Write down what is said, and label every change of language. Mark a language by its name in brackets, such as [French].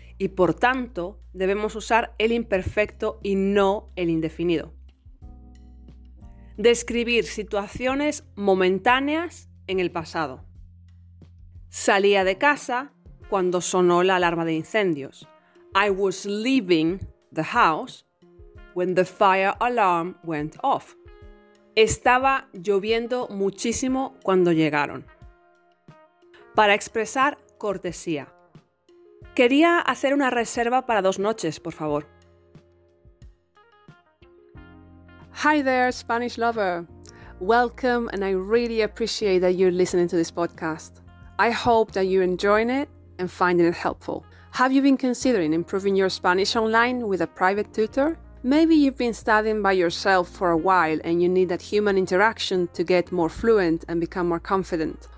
[Spanish] Y por tanto, debemos usar el imperfecto y no el indefinido. Describir situaciones momentáneas en el pasado. Salía de casa cuando sonó la alarma de incendios. [English] I was leaving the house when the fire alarm went off. [Spanish] Estaba lloviendo muchísimo cuando llegaron. Para expresar cortesía. Quería hacer una reserva para dos noches, por favor. [English] Hi there, Spanish lover. Welcome, and I really appreciate that you're listening to this podcast. I hope that you're enjoying it and finding it helpful. Have you been considering improving your Spanish online with a private tutor? Maybe you've been studying by yourself for a while and you need that human interaction to get more fluent and become more confident.